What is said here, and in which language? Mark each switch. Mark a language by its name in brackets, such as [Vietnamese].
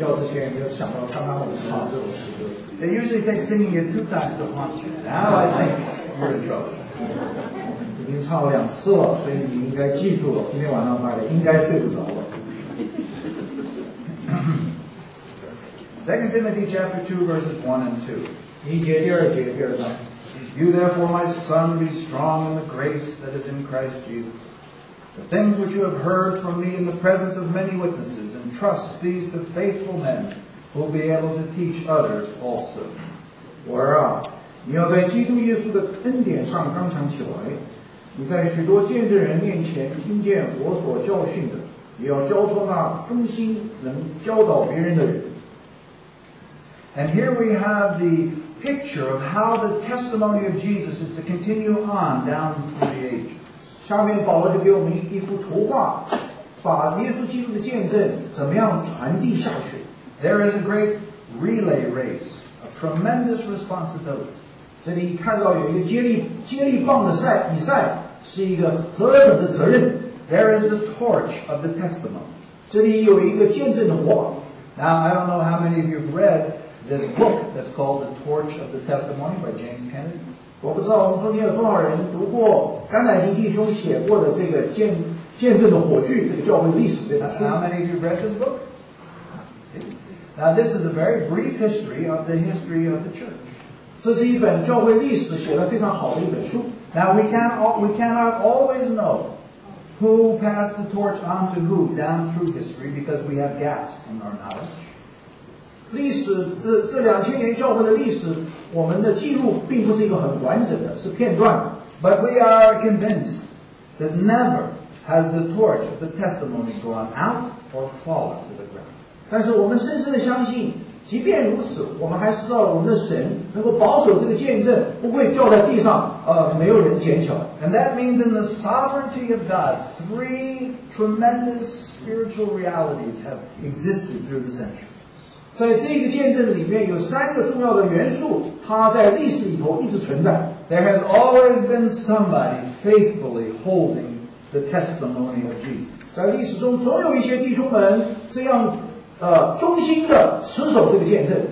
[Chinese] 前没有想到刚刚我们唱这种诗歌。 [English] They usually think singing it two times will haunt you. Now I think you're in trouble. [Chinese] 已经唱了两次了，所以你应该记住了。今天晚上大概应该睡不着了。 [English] Second Timothy chapter 2 verses 1 and 2. [Chinese] 第一节第二节第二章。 [English] You therefore, my son, be strong in the grace that is in Christ Jesus. The things which you have heard from me in the presence of many witnesses, entrust these to faithful men who will be able to teach others also. [Chinese] 我儿啊，你要在基督耶稣的恩典上刚强起来。你在许多见证人面前听见我所教训的，也要交托那忠心能教导别人的人。 [English] And here we have the picture of how the testimony of Jesus is to continue on down through the ages. [Chinese] 下面保罗就给我们一幅图画，把耶稣基督的见证怎么样传递下去。 [English] There is a great relay race, a tremendous responsibility. [Chinese] 这里看到有一个接力棒的赛比赛，是一个何等的责任。 [English] There is the torch of the testimony. [Chinese] 这里有一个见证的火。 [English] Now, I don't know how many of you have read this book that's called The Torch of the Testimony by James Kennedy. [Chinese] 我不知道我们中间有多少人读过甘乃迪弟兄写过的这个见证的火炬，这个教会历史这本书。 [English] How many of you read this book? Now this is a very brief history of the history of the church. [Chinese] 这是一本教会历史写得非常好的一本书。 [English] Now we cannot always know who passed the torch on to who down through history because we have gaps in our knowledge. [Chinese] 历史这两千年教会的历史，我们的记录并不是一个很完整的，是片段的。 [English] But we are convinced that never has the torch of the testimony gone out or fallen to the ground. [Chinese] 但是我们深深的相信，即便如此，我们还知道我们的神能够保守这个见证，不会掉在地上，没有人捡起来。 [English] And that means in the sovereignty of God, three tremendous spiritual realities have existed through the centuries. [Chinese] 在这个见证里面有三个重要的元素，它在历史里头一直存在。 [English] There has always been somebody faithfully holding the testimony of Jesus. [Chinese] 在历史中总有一些弟兄们这样忠心的持守这个见证。